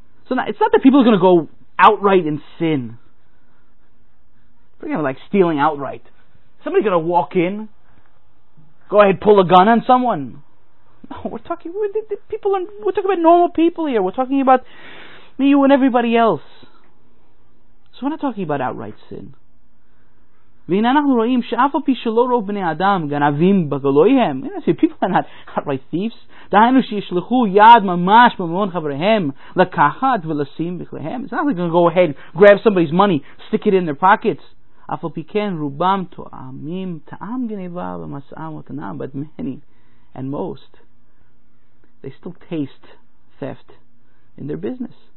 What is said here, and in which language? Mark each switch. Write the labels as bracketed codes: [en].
[en] it's not that people are going to go outright in sin. Forget about, like, stealing outright. Somebody's going to walk in, go ahead, pull a gun on someone. No, we're talking about normal people here. We're talking about me, you, and everybody else. So we're not talking about outright sin. [he] והנה אנחנו רואים שאף על פי שלא רוב בני אדם גנבים בגלויהם. [en] You know, see, people are not outright thieves. [he] דהיינו שישלחו יד ממש במון חבריהם לקחת ולשים בכליהם. [en] It's not like they're going to go ahead, grab somebody's money, stick it in their pockets. [he] אף על פי כן רובם טועמים טעם גניבה ומסעם ותנם. [en] But many and most, they still taste theft in their business.